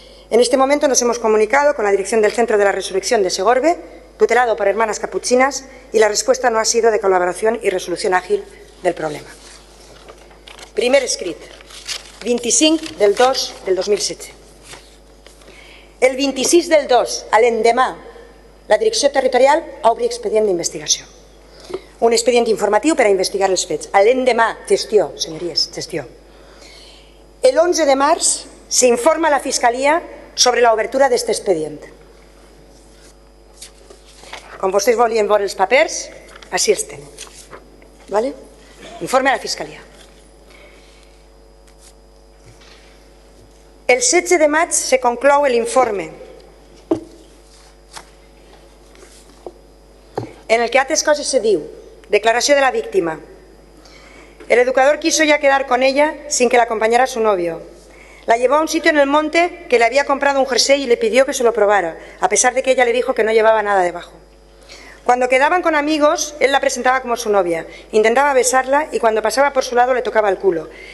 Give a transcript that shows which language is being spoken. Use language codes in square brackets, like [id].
[es] En este momento nos hemos comunicado con la dirección del Centro de la Resurrección de Segorbe, tutelado por Hermanas Capuchinas, y la respuesta no ha sido de colaboración y resolución ágil del problema. [ca] Primer escrit, 25 del 2 del 2007. [es] El 26 del 2, al endemà, la Dirección Territorial obre expediente de investigación. Un expediente informativo para investigar los fets. [ca] Al endemà, gestió, [es] señorías, gestió. El 11 de març se informa a la Fiscalía sobre la obertura de este expediente. [ca] Com vostès volien veure els papers, així estem. ¿Vale? Informe a la Fiscalía. El 16 de maig se conclou el informe en el que altres coses se diu. Declaració de la víctima. [es] El educador quiso ya quedar con ella sin que la acompañara su novio. La llevó a un sitio en el monte que le había comprado un jersey y le pidió que se lo probara, a pesar de que ella le dijo que no llevaba nada debajo. Cuando quedaban con amigos, él la presentaba como su novia, intentaba besarla y cuando pasaba por su lado le tocaba el culo.